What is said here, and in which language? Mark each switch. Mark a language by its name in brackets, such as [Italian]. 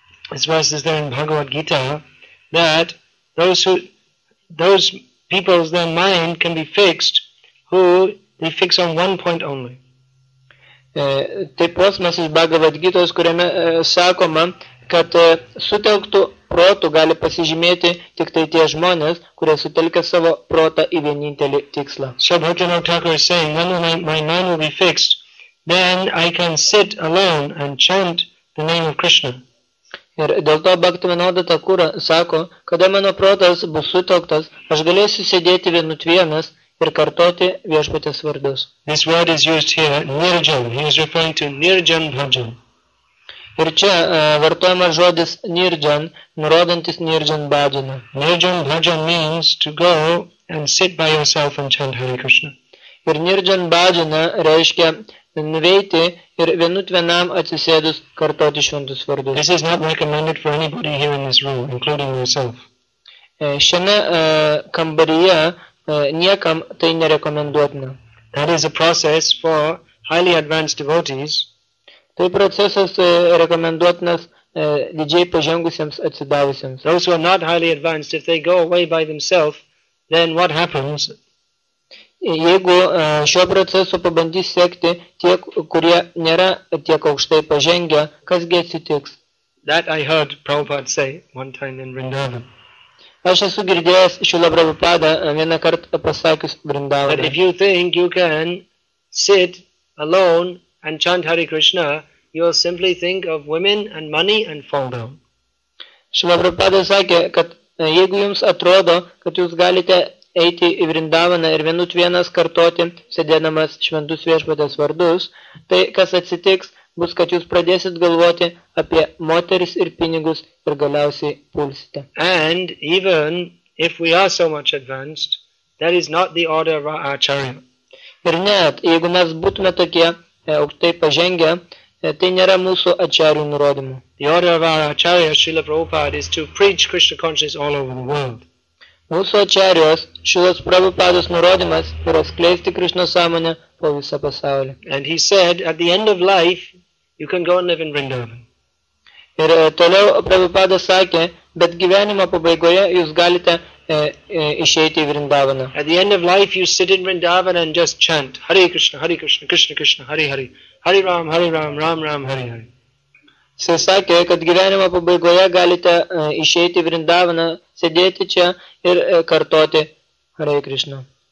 [English] This verse is there in Bhagavad Gita, that those people's their mind can be fixed, who they fix on one point only. [Lithuanian] Taip posmas iš Bhagavad Gita, kuriame sakoma, kad sutelktų protų gali pasižymėti tik tai tie žmonės, kurie sutelkia savo protą į vienintelį tikslą. [English] So Bhajan Thakur is saying, when my mind will be fixed, then I can sit alone and chant the name of Krishna. [Lithuanian] Ir dėl to Bhaktivinoda Thakura sako, kada mano protas bus sutelktas, aš galėsiu sėdėti vienut vienas ir kartoti viešpatės vardus. [English] This word is used here, nirjan. He is referring to nirjan bhajan. [Lithuanian] Ir čia vartojamas žodis nirjan, nurodantis nirjan bhajana. [English] Nirjan bhajan means to go and sit by yourself and chant Hare Krishna. [Lithuanian] Ir nirjan bhajana reiškia nuveiti ir vienut vienam atsisėdus kartoti šventus vardus. [English] This is not recommended for anybody here in this room, including myself. [Lithuanian] Šiame kambaryje niekam tai nerekomenduotina. [English] That is a process for highly advanced devotees. [Lithuanian] Tai procesas rekomenduotinas didžiai pažengusiems atsidavusiems. [English] Those who are not highly advanced, if they go away by themselves, then what happens? [Lithuanian] Jeigu šio proceso pabandys sekti tie, kurie nėra tiek aukštai pažengę, kas gi atsitiks? [English] That I heard Prabhupada say one time in Vrindavan. [Lithuanian] Aš esu girdėjęs Šrila Prabhupada vieną kartą pasakius Vrindavane. [English] But if you think you can sit alone and chant Hare Krishna, you will simply think of women and money and fall down. [Lithuanian] Šrila Prabhupada sakė, kad jeigu jums atrodo, kad jūs galite eiti į Vrindavaną ir vienut vienas kartoti, sėdėdamas šventus viešpatės vardus, tai kas atsitiks, bus, kad jūs pradėsit galvoti apie moteris ir pinigus ir galiausiai pulsite. [English] And even if we are so much advanced, that is not the order of our acharya. [Lithuanian] Ir net, jeigu mes būtume tokie aukštai pažengę, tai nėra mūsų acharyų nurodymų. [English] The order of our acharya, Srila Prabhupada, is to preach Krishna consciousness all over the world. [Lithuanian] Mūsų acharyos, Šilas Prabhupados nurodymas, yra skleisti Krishna sąmonę po visą pasaulį. [English] And he said, at the end of life, you can go and live in Vrindavan. [Lithuanian] Ir toliau Prabhupadas sakė, bet gyvenimo pabaigoje jūs galite išeiti į Vrindavaną. [English] At the end of life, you sit in Vrindavan and just chant, Hare Krishna, Hare Krishna, Krishna Krishna, Hare Hare, Hare Ram, Hare Ram, Ram Ram, Hare Hare. [Lithuanian] Jis sakė, kad gyvenimo pabaigoje galite išeiti Vrindavaną, sėdėti čia ir kartoti Hare Krishna.